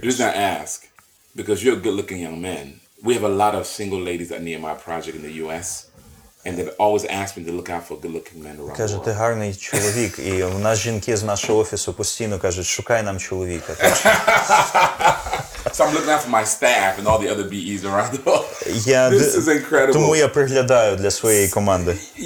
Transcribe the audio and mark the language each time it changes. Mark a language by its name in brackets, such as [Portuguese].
[English] The reason I ask, because you're a good-looking young man, we have a lot of single ladies at Nehemiah Project in the U.S., and they've always asked me to look out for good-looking men around. [Ukrainian] Каже, ти гарний чоловік, і у нас жінки з нашого офісу постійно кажуть, шукай нам чоловіка. [English] So I'm looking out for my staff and all the other BEs around the world. Yeah, this is incredible. [Ukrainian] Тому я приглядаю для своєї команди.